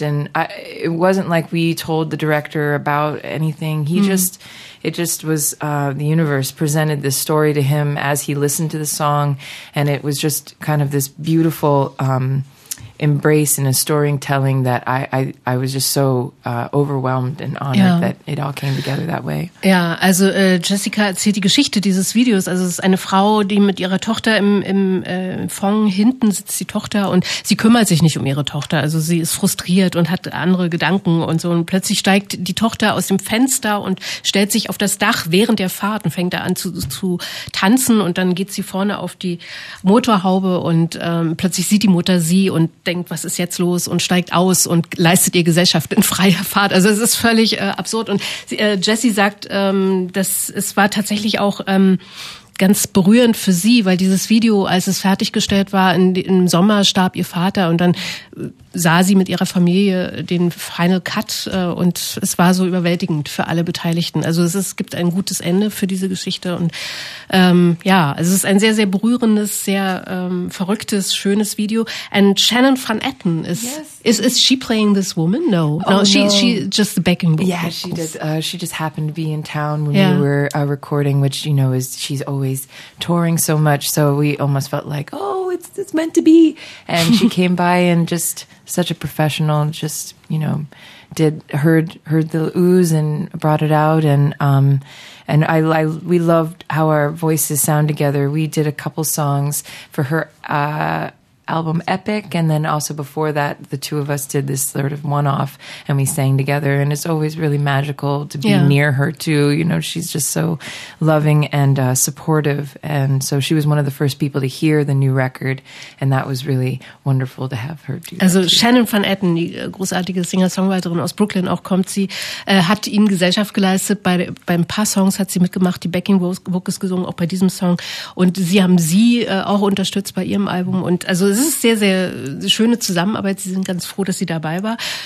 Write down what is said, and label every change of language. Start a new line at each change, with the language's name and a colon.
English: And it wasn't like we told the director about anything. He just was the universe presented this story to him as he listened to the song, and it was just kind of this beautiful embrace and a storytelling that I was just so overwhelmed and honored yeah. that it all came together that way.
German: Ja, also Jessica erzählt die Geschichte dieses Videos. Also es ist eine Frau, die mit ihrer Tochter im Fond hinten sitzt, die Tochter, und sie kümmert sich nicht um ihre Tochter. Also sie ist frustriert und hat andere Gedanken und so. Und plötzlich steigt die Tochter aus dem Fenster und stellt sich auf das Dach während der Fahrt und fängt da an zu tanzen, und dann geht sie vorne auf die Motorhaube und plötzlich sieht die Mutter sie und denkt, was ist jetzt los, und steigt aus und leistet ihr Gesellschaft in freier Fahrt. Also es ist völlig absurd. Und Jessie sagt, es war tatsächlich auch ganz berührend für sie, weil dieses Video, als es fertiggestellt war, im Sommer starb ihr Vater, und dann sah sie mit ihrer Familie den Final Cut, und es war so überwältigend für alle Beteiligten. Also es gibt ein gutes Ende für diese Geschichte, und ja, es ist ein sehr, sehr berührendes, sehr verrücktes, schönes Video.
English: And Shannon van Etten, is she playing this woman? No. She just the backing vocals. Yeah, she did. She just happened to be in town when yeah. we were recording, which, you know, is she's always touring so much, so we almost felt like, oh, it's meant to be. And she came by and just such a professional, just, you know, heard the oohs and brought it out, and I we loved how our voices sound together. We did a couple songs for her album Epic, and then also before that the two of us did this sort of one-off and we sang together, and it's always really magical to be yeah. near her too, you know. She's just so loving and supportive, and so she was one of the first people to hear the new record, and that was really wonderful to have her do.
German: Also Shannon van Etten, die großartige Singer-Songwriterin aus Brooklyn, auch kommt sie, hat ihnen Gesellschaft geleistet, bei ein paar Songs hat sie mitgemacht, die Backing Vocals gesungen, auch bei diesem Song, und sie haben sie auch unterstützt bei ihrem Album. Und also es ist sehr, sehr schöne Zusammenarbeit. Sie sind ganz froh, dass sie dabei war.